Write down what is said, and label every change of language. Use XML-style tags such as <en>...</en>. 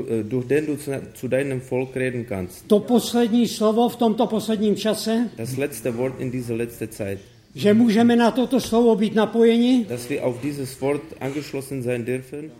<de>durch den du zu deinem Volk reden kannst.</de> <cs>To poslední slovo v tomto posledním čase,</cs> <de>das letzte Wort in dieser letzte Zeit.</de> <cs>Že můžeme na toto slovo být napojeni,</cs> <de>dass wir auf dieses Wort angeschlossen sein dürfen,</de>